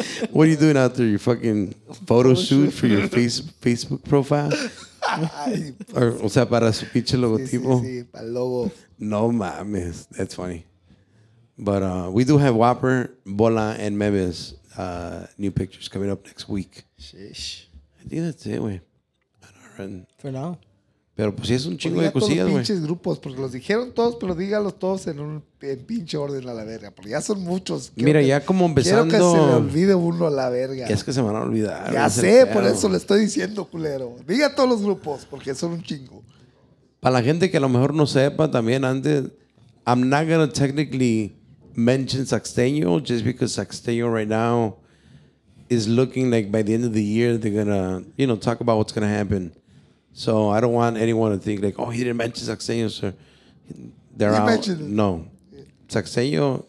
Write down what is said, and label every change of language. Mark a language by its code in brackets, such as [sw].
[en] What are you doing out there? Your fucking photo shoot for your Facebook profile? [es] Or, o sea, para su pinche logotipo. Sí, para el logo. No mames. [en] That's funny. But we do have Whopper, Bola, and Memes new pictures coming up next week. Sheesh. I think that's it, güey. For now. [es] Pero pues sí es un chingo de cosillas, güey. Los pinches grupos, porque los dijeron todos, pero dígalos todos en pinche orden a la verga, porque ya son muchos. Quiero Mira, que, ya como empezando... Quiero que se le olvide uno a la verga. Es que se van a olvidar. Ya sé, por eso le estoy diciendo, culero. Diga a todos los grupos, porque son un chingo. Para la gente que a lo mejor no sepa, también antes [en] I'm not going to technically mention Saxteño just because Saxteño right now is looking like by the end of the year, they're going to, you know, talk about what's going to happen. So I don't want anyone to think like, oh, he didn't mention Saxteño, sir. They're out. Mentioned. No. Saxteño.